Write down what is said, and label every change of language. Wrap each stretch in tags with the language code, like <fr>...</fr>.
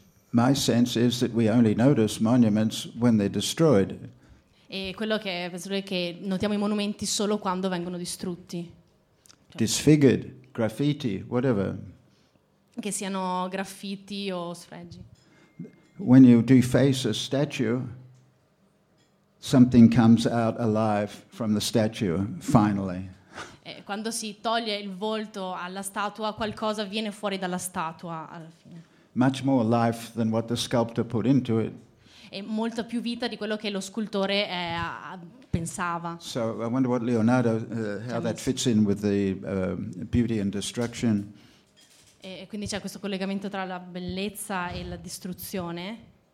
<en>My sense is that we only notice monuments when they're destroyed.</en> <it>E quello che penso è che notiamo i monumenti solo quando vengono distrutti. Cioè,</it> <en>disfigured, graffiti, whatever.</en> <it>Che siano graffiti o sfregi.</it> <en>When you deface a statue, something comes out alive from the statue, finally.</en> <it>Quando si toglie il volto alla statua, qualcosa viene fuori dalla statua alla fine.</it> <en>Much more life than what the sculptor put into it.</en> <it>È molta più vita di quello che lo scultore pensava.</it> <en>So I wonder what Leonardo, how that fits in with the beauty and destruction.</en> <it>E quindi c'è questo collegamento tra la bellezza e la distruzione.</it>